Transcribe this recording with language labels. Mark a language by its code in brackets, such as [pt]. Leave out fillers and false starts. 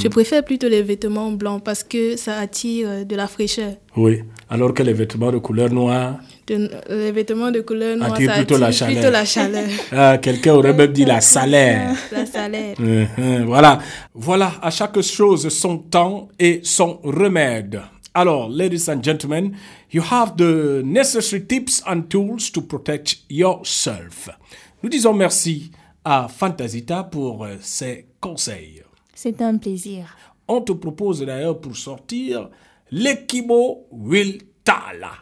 [fr] Je préfère plutôt les vêtements blancs parce que ça attire de la fraîcheur. Oui, alors que les vêtements de couleur noire... Les vêtements de couleur noire, attire plutôt la chaleur. Ah, quelqu'un aurait même dit la salaire. La salaire. Voilà. Voilà, à chaque chose son temps et son remède. [en] Alors, ladies and gentlemen, you have the necessary tips and tools to protect yourself. [fr] Nous disons merci à Fantasita pour ses conseils. C'est un plaisir. On te propose d'ailleurs pour sortir l'Ekimo Will Tala.